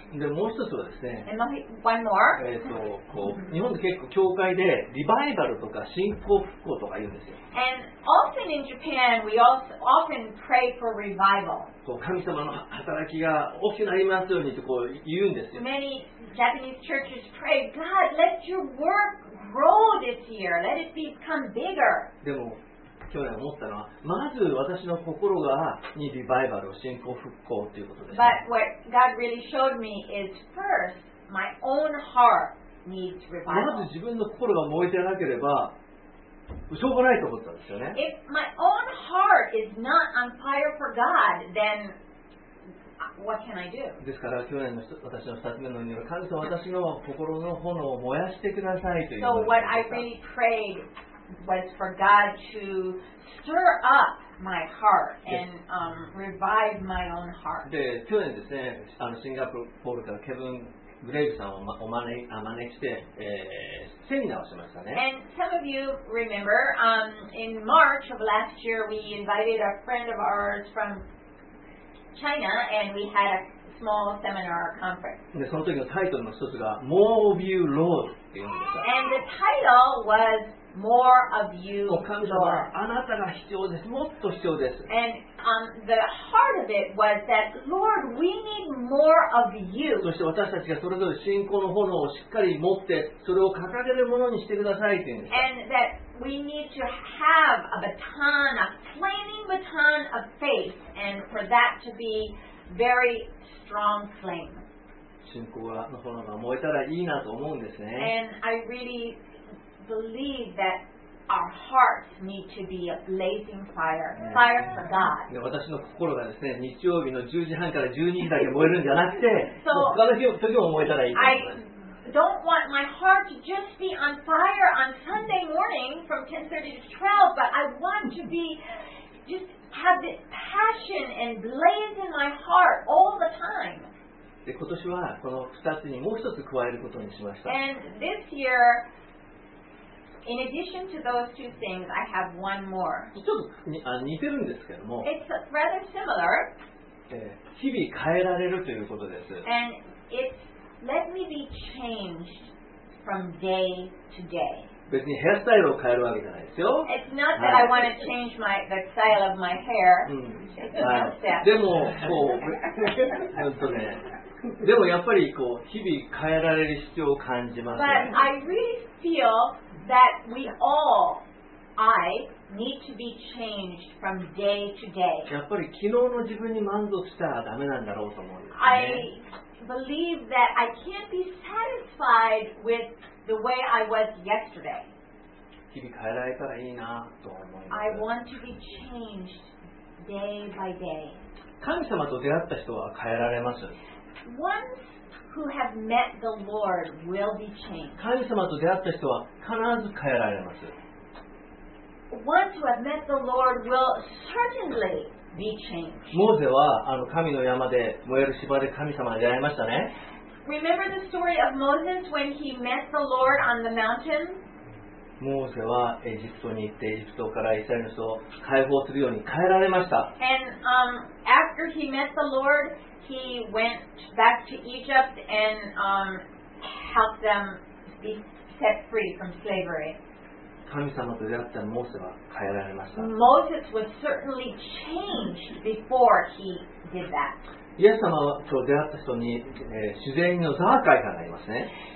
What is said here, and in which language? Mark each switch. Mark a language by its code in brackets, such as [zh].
[ja] でもう一つはですね。 [en] One more. [ja] こう日本で結構教会でリバイバルとか信仰復興とか言うんですよ。 [en] And often in Japan, we also often pray for revival. [ja] 神様の働きが大きくなりますようにとこう言うんですよ。 [en] Many Japanese churches pray, God, let your work grow this year. Let it become bigger. [ja] でも去年思ったのは、まず私の心がにリバイバルを信仰復興ということです。 [en] But what God really showed me is first, my own heart needs revival. [ja] まず自分の心が燃えてなければ、しょうがないと思ったんですよね。 [en] If my own heart is not on fire for God, then what can I do? [ja] ですから去年の私の2つ目の祈り、神様私の心の炎を燃やしてくださいという。 [en] So what I really prayed was for God to stir up my heart and revive my own heart. [ja] で去年ですね、シンガポールからケビン。グレイブさんをお招きして、セミナーをしましたね。 [en] And some of you remember, in March of last year, we invited a friend of ours from China, and we had a small seminar conference. [ja] で、その時のタイトルの一つが、 [en] More of You, Lord [ja] っていうんでした。 [en] And the title was, More of You, Lord. [ja] 神様、あなたが必要です。もっと必要です。 [en] And the heart of it was that, Lord, we need more of you. [ja] そして私たちがそれぞれ信仰の炎をしっかり持って、それを掲げるものにしてくださいっていうんです。 [en] And that we need to have a baton, a flaming baton of faith, and for that to be very strong flame. [ja] 信仰の炎が燃えたらいいなと思うんですね。 [en] And I really believe that. Our hearts need to be a blazing fire, fire for God. [ja] で、私の心がですね、日曜日の10時半から12時だけ燃えるんじゃなくて、so, 他の日も時も燃えたらいいと思います。 [en] I don't want my heart to just be on fire on Sunday morning from 10:30 to 12, but I want to be just have this passion and blaze in my heart all the time. [ja] で、今年はこの2つにもう一つ加えることにしました。 [en] And this year,In addition to those two things, I have one more. [ja] ちょっと似てるんですけども。 [en] It's rather similar. [ja] 日々変えられるということです。 [en] And it's let me be changed from day to day. [ja] 別にヘアスタイルを変えるわけじゃないですよ。 [en] It's not that、はい、I want to change my, the style of my hair. [ja] でも、こう、本当ね。でもやっぱりこう日々変えられる必要を感じます、ね。 [en] But I really feel that we all, I, need to be changed from day to day. [ja] やっぱり昨日の自分に満足したらダメなんだろうと思うんですね。 [en] I believe that I can't be satisfied with the way I was yesterday. [ja] 日々変えられたらいいなと思います。 [en] I want to be changed day by day. [ja] 神様と出会った人は変えられます。 [en] Once who have met the Lord will be changed. [ja] 神様と出会った人は必ず変えられます。 [en] Once who have met the Lord will certainly be changed. [ja] モーゼは神の山で燃える芝で神様に出会いましたね。 [en] Remember the story of Moses when he met the Lord on the mountain? [ja] モーゼはエジプトに行ってエジプトからイスラエルの人を解放するように変えられました。 [en] And after he met the Lord,He went back to Egypt and helped them be set free from slavery. [ja] 神様と出会ったモーセは変えられました。 [en] Moses was certainly changed before he did that. [ja] イエス様と出会った人に、自然のザーカイがありますね。